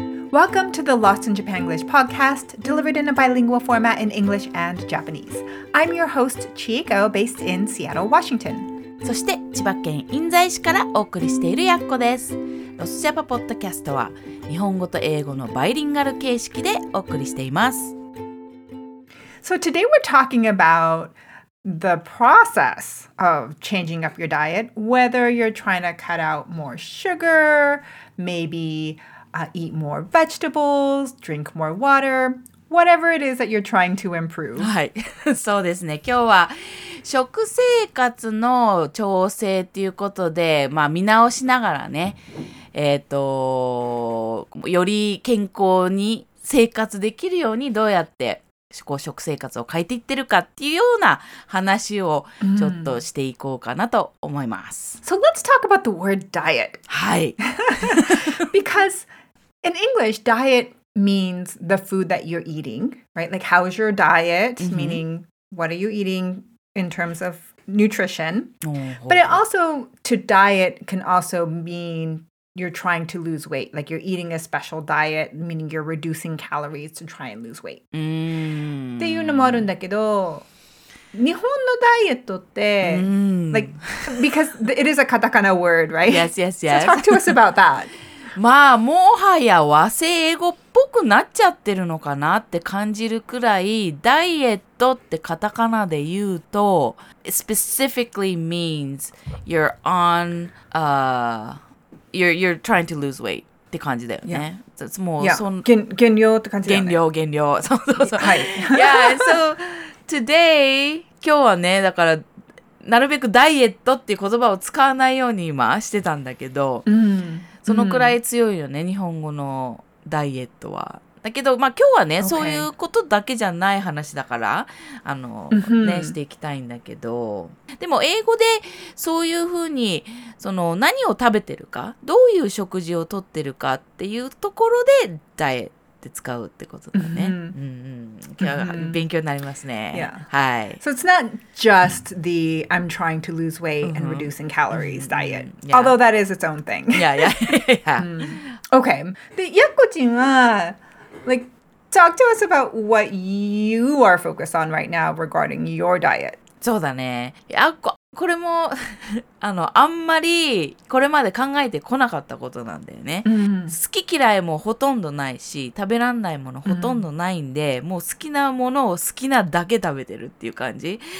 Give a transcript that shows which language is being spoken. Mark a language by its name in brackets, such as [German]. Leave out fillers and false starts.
[English] Welcome to the Lost in Japan English podcast delivered in a bilingual format in English and Japanese. I'm your host, Chieko, based in Seattle, Washington. [Japanese] そして千葉県印西市からお送りしているやっこです。ロスジャパポッドキャストは日本語と英語のバイリンガル形式でお送りしています。 [English] So today we're talking about the process of changing up your diet, whether you're trying to cut out more sugar, maybe eat more vegetables, drink more water, whatever it is that you're trying to improve. [Japanese] はい、そうですね。今日は食生活の調整ということで、まあ見直しながらね、より健康に生活できるようにどうやって食生活を変えていってるかっていうような話をちょっとしていこうかなと思います。 [English] Mm. So let's talk about the word diet. [Japanese] はい。 [English] Because in English, diet means the food that you're eating, right? Like, how's your diet?、Mm-hmm. Meaning, what are you eating in terms of nutrition?、 Oh, But it also, to diet can also mean... You're trying to lose weight, like you're eating a special diet, meaning you're reducing calories to try and lose weight. Mm. [Japanese] っていうのもあるんだけど、日本のダイエットって、mm. [English] like, because it is a katakana word, right? Yes, yes, yes. So talk to us about that. [Japanese] まあ、もはや和製英語っぽくなっちゃってるのかなって感じるくらい、ダイエットってカタカナで言うと、 [English] specifically means you're on a... You're trying to lose weight [Japanese] って感じだよね。 [English] Yeah. It's more, [Japanese] yeah. 減量って感じだよね。減量。そうそうそう。はい。 [English] Yeah, so today, [Japanese] 今日はね、だから、なるべくダイエットっていう言葉を使わないように今してたんだけど、 mm. そのくらい強いよね、mm. 日本語のダイエットは。だけど、まあ今日はね、okay. そういうことだけじゃない話だから、mm-hmm. ね、していきたいんだけど、でも英語でそういうふうに、その何を食べてるか、どういう食事をとってるかっていうところで、ダイエットって使うってことだね。うんうん、今日は勉強になりますね。 [English] Yeah. [Japanese] はい。 [English] So it's not just the I'm trying to lose weight and reducing calories diet,、yeah. although that is its own thing. Yeah, yeah, yeah. Okay. で、やっこちんは、Like, talk to us about what you are focused on right now regarding your diet. [Japanese] そうだね。あ、これも、あんまりこれまで考えてこなかったことなんだよね。 Mm-hmm. 好き嫌いもほとんどないし、食べらんないものほとんどないんで、mm-hmm. もう好きなものを好きなだけ食べてるっていう感じ。